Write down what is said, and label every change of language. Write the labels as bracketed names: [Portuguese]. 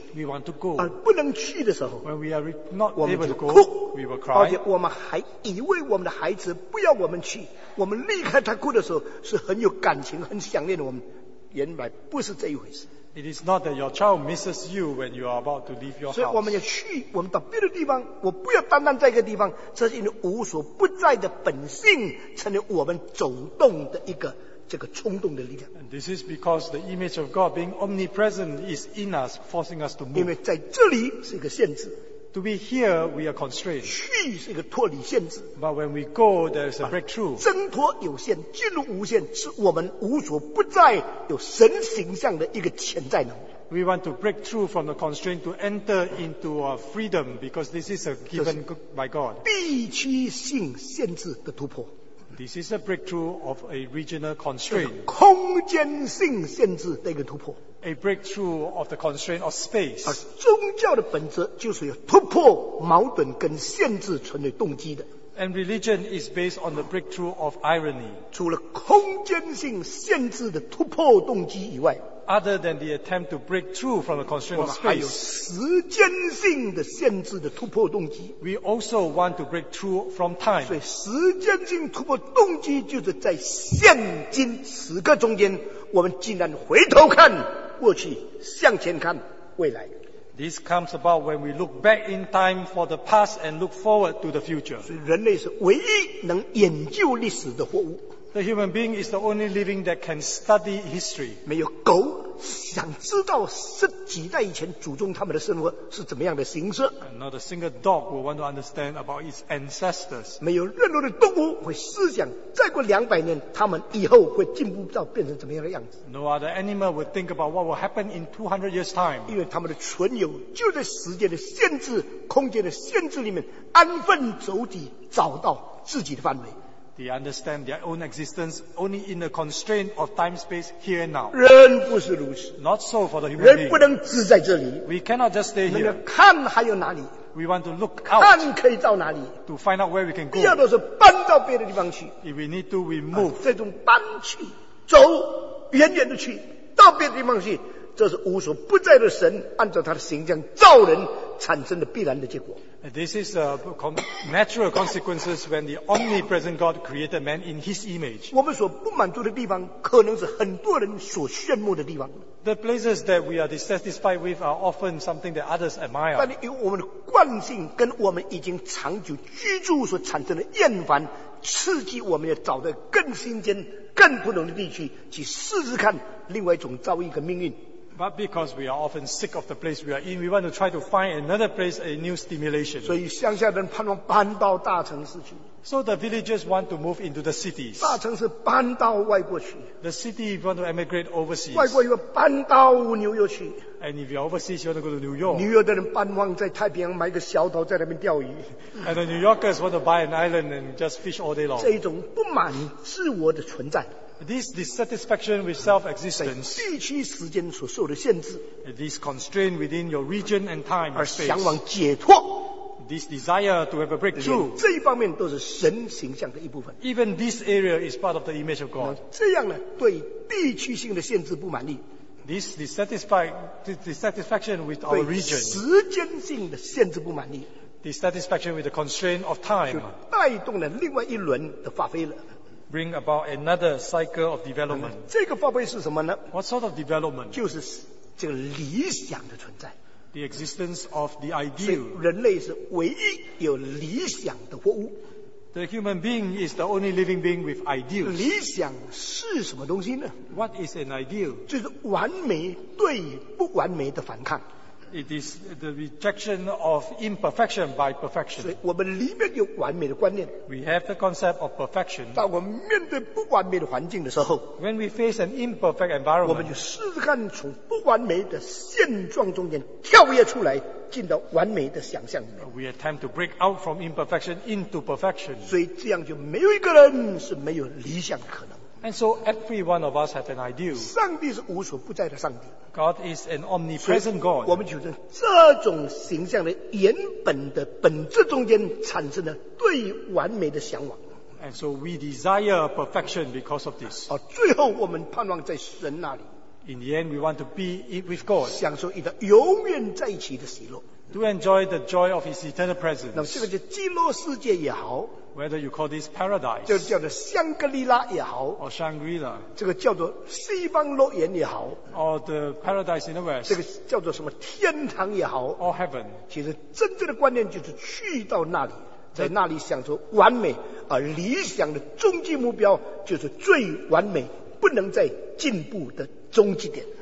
[English] ，We want to go， [Chinese] 而不能去的时候 [English] ，When we are not able to go， we will cry， [Chinese] 而且我们还以为我们的孩子不要我们去，我们离开他哭的时候是很有感情、很想念我们，原来不是这一回事。 [English] It is not that your child misses you when you are about to leave your house. [Chinese] 所以我们要去，我们到别的地方，我不要单单在一个地方。这是因为无所不在的本性成了我们走动的一个这个冲动的力量。 [English] And this is because the image of God being omnipresent is in us, forcing us to move. [Chinese] 因为在这里是一个限制。 [English] To be here, we are constrained. [Chinese] 去是一个脱离限制。 [English] But when we go, there is a breakthrough. [Chinese] 挣脱有限，进入无限，是我们无所不在、有神形象的一个潜在能力。 [English] We want to break through from the constraint to enter into a freedom, because this is a given by God. [Chinese] 地区性限制的突破。 [English] This is a breakthrough of a regional constraint. [Chinese] 就是空间性限制的一个突破。 [English] A breakthrough of the constraint of space. [Chinese] 而宗教的本质就是要突破矛盾跟限制成为动机的。 [English] And religion is based on the breakthrough of irony. [Chinese] 除了空间性限制的突破动机以外。 [English] Other than the attempt to break through from the constraint of space, [Chinese] 我们还有时间性的限制的突破动机。 [English] We also want to break through from time. [Chinese] 所以时间性突破动机就是在现今此刻中间，我们竟然回头看过去，向前看未来。 [English] This comes about when we look back in time for the past and look forward to the future. [Chinese] 所以人类是唯一能研究历史的活物。 [English] The human being is the only living that can study history. [Chinese] 没有狗想知道十几代以前祖宗他们的生活是怎么样的形式。 [English] And not a single dog will want to understand about its ancestors. [Chinese] 没有任何的动物会思想再过两百年他们以后会进步到变成怎么样的样子。 [English] No other animal will think about what will happen in 200 years time. [Chinese] 因为他们的存有就在时间的限制、空间的限制里面安分守己，找到自己的范围。 [English] They understand their own existence only in the constraint of time, space, here and now. [Chinese] 人不是如此。 [English] Not so for the human [Chinese] 人 [English] being. [Chinese] 人不能只在这里。 [English] We cannot just stay here. [Chinese] 看还有哪里。 [English] We want to look out. [Chinese] 看可以到哪里。 [English] To find out where we can go. [Chinese] 要都是搬到别的地方去。 [English] If we need to, we move. [Chinese] 这种搬去，走，远远的去，到别的地方去，这是无所不在的神按照他的形象造人产生的必然的结果。 [English] This is a natural consequences when the omnipresent God created man in His image. [Chinese] 我们所不满足的地方，可能是很多人所羡慕的地方。 [English] The places that we are dissatisfied with are often something that others admire. [Chinese] 但因为我们的惯性跟我们已经长久居住所产生的厌烦，刺激我们要找到更新鲜、更不同的地区去试试看另外一种遭遇跟命运。 [English] But because we are often sick of the place we are in, we want to try to find another place, a new stimulation. [Chinese] 所以乡下人盼望搬到大城市去。 [English] So the villagers want to move into the cities. [Chinese] 大城市搬到外国去。 [English] The city want to emigrate overseas. [Chinese] 外国又搬到纽约去。 [English] And if you're overseas, you want to go to New York. [Chinese] 纽约的人盼望在太平洋买个小岛在那边钓鱼。 [English] And the New Yorkers want to buy an island and just fish all day long. [Chinese] 这一种不满自我的存在。 [English] This dissatisfaction with self-existence, [Chinese] 地区时间所受的限制, [English] this constraint within your region and time and space, [Chinese] 而向往解脱, [English] this desire to have a breakthrough, [Chinese] 这一方面都是神形象的一部分, [English] even this area is part of the image of God. [Chinese] 这样呢，对地区性的限制不满意, [English] this dissatisfaction with our region, [Chinese] 对时间性的限制不满意, [English] dissatisfaction with the constraint of time, [Chinese] 就带动了另外一轮的发挥了。 [English] Bring about another cycle of development. [Chinese] 这个发挥是什么呢？ [English] What sort of development? [Chinese] 就是这个理想的存在。 [English] The existence of the ideal. [Chinese] 所以人类是唯一有理想的活物。 [English] The human being is the only living being with ideals. [Chinese] 理想是什么东西呢？ [English] What is an ideal? [Chinese] 就是完美对不完美的反抗。 [English] It is the rejection of imperfection by perfection. [Chinese] 所以我们里面有完美的观念。 [English] We have the concept of perfection. [Chinese] 当我们面对不完美的环境的时候， [English] When we face an imperfect environment, [Chinese] 我们就试试看从不完美的现状中间跳跃出来，进到完美的想象里面。 [English] We attempt to break out from imperfection into perfection. [Chinese] 所以这样就没有一个人是没有理想的可能。 [English] And so every one of us has an ideal. [Chinese] 上帝是无所不在的上帝。 [English] God is an omnipresent God. [Chinese] 我们就在这种形象的原本的本质中间产生了对完美的向往。 [English] And so we desire perfection because of this. [Chinese] 最后我们盼望在神那里。 [English] In the end, we want to be with God. [Chinese] 享受一个永远在一起的喜乐。 [English] To enjoy the joy of His eternal presence. [Chinese] 那么这个叫极乐世界也好。 [English] Whether you call this paradise, [Chinese] 就叫做香格里拉也好 [English] or Shangri-La, [Chinese] 这个叫做西方乐园也好 [English] or the paradise in the west, [Chinese] 这个叫做什么天堂也好 [English] or heaven, [Chinese] 其实真正的观念就是去到那里，在那里享受完美，而理想的终极目标就是最完美不能再进步的终极点。